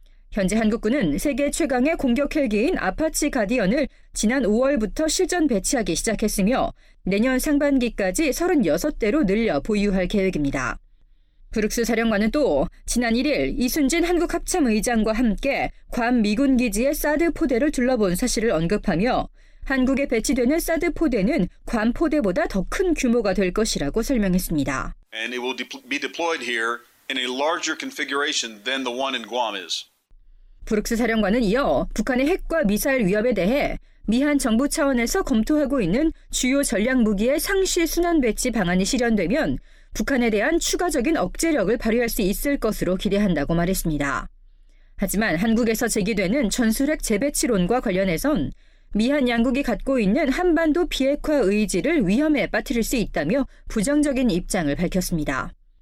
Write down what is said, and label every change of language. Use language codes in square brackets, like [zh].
[ko] 현재 한국군은 세계 최강의 공격 헬기인 아파치 가디언을 지난 5월부터 실전 배치하기 시작했으며 내년 상반기까지 36대로 늘려 보유할 계획입니다. 브룩스 사령관은 또 지난 1일 이순진 한국합참의장과 함께 괌 미군기지의 사드 포대를 둘러본 사실을 언급하며 한국에 배치되는 사드 포대는 괌 포대보다 더 큰 규모가 될 것이라고 설명했습니다. [en] And it will be deployed here in a larger configuration than the one in Guam is. [ko] 브룩스 사령관은 이어 북한의 핵과 미사일 위협에 대해 미한 정부 차원에서 검토하고 있는 주요 전략 무기의 상시 순환 배치 방안이 실현되면 북한에 대한 추가적인 억제력을 발휘할 수 있을 것으로 기대한다고 말했습니다. 하지만 한국에서 제기되는 전술핵 재배치론과 관련해선 미한 양국이 갖고 있는 한반도 비핵화 의지를 위험에 빠뜨릴 수 있다며 부정적인 입장을 밝혔습니다.